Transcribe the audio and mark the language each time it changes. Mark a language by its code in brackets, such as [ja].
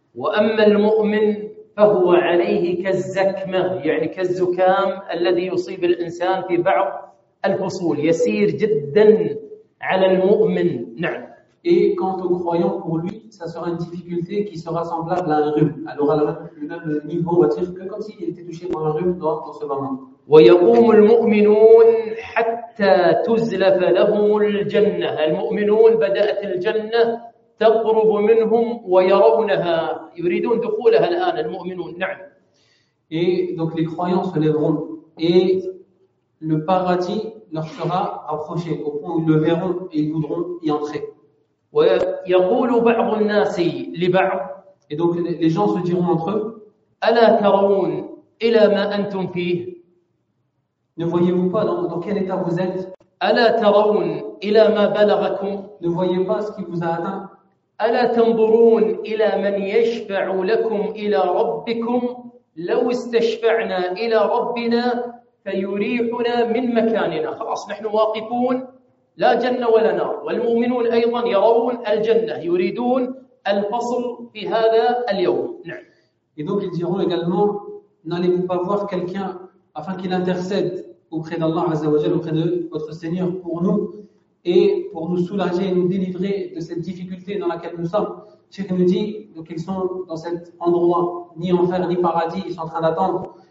[ar] وأما المؤمن فهو عليه كالزكمة يعني كالزكام الذي يصيب الإنسان في بعض الفصول يسير جدا على المؤمن. نعم. [fr] Et quant au croyant, pour lui, ça sera une difficulté qui sera semblable à un rhume. Elle aura le même niveau, on va dire, que comme s'il était touché par un rhume dans ce moment. [ar] وَيَقُومُ الْمُؤْمِنُونَ حَتَّى تُزْلَفَ لَهُمُ الْجَنَّةَ. الْمُؤْمِنُونَ بَدَأَتِ الْجَنَّةَ تَقْرُبُ مِنْهُمْ وَيَرَوْنَهَا. يُرِيدُونَ دُخُولَهَا الْآنَ الْمُؤْمِنُونَ. نعم. [fr] Et donc les croyants se lèveront et le paradis leur sera approché au point où ils le verront et ils voudront y entrer. [ar] ويقول بعض الناس لبعض. [fr] Et donc les gens se diront entre eux. [ar] ألا ترون إلى ما أنتم فيه؟ [fr] Ne voyez-vous pas dans quel état vous êtes؟ [ar] ألا ترون إلى ما بلغكم؟ [fr] Ne voyez pas ce qui vous a atteint. [ar] ألا تنظرون إلى من يشفع لكم إلى ربكم؟ لو استشفعنا إلى ربنا فيريحنا من مكاننا. خلاص نحن واقفون لا جنة ولا نار. والمؤمنون أيضا يرون الجنة يريدون الفصل في هذا اليوم. نعم. [fr] Et donc ils diront également, n'allez-vous pas voir quelqu'un afin qu'il intercède auprès d'Allah [ar] Azza wa Jal, [fr] auprès de votre Seigneur pour nous et pour nous soulager et nous délivrer de cette difficulté dans laquelle nous sommes. Cheikh nous dit donc ils sont dans cet endroit, ni enfer ni paradis, ils sont en train d'attendre.